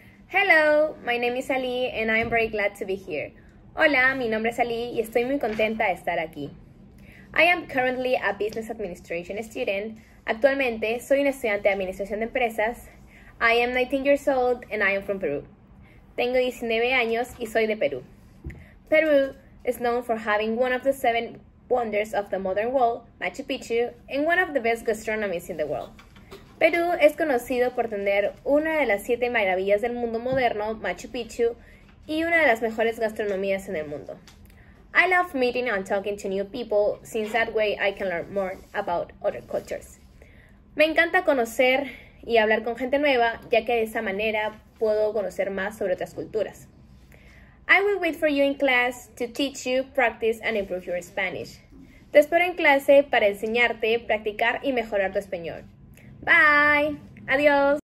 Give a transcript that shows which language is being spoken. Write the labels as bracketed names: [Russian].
[English] Hello, my name is Ali and I'm very glad to be here. [Spanish] Hola, mi nombre es Ali y estoy muy contenta de estar aquí. [English] I am currently a Business Administration student. [Spanish] Actualmente soy una estudiante de Administración de Empresas. [English] I am 19 years old and I am from Peru. [Spanish] Tengo 19 años y soy de Perú. [English] Peru is known for having one of the seven wonders of the modern world, Machu Picchu, and one of the best gastronomies in the world. [Spanish] Perú es conocido por tener una de las siete maravillas del mundo moderno, Machu Picchu, y una de las mejores gastronomías en el mundo. [English] I love meeting and talking to new people, since that way I can learn more about other cultures. [Spanish] Me encanta conocer y hablar con gente nueva, ya que de esa manera puedo conocer más sobre otras culturas. [English] I will wait for you in class to teach you, practice, and improve your Spanish. [Spanish] Te espero en clase para enseñarte, practicar y mejorar tu español. Bye. Adiós.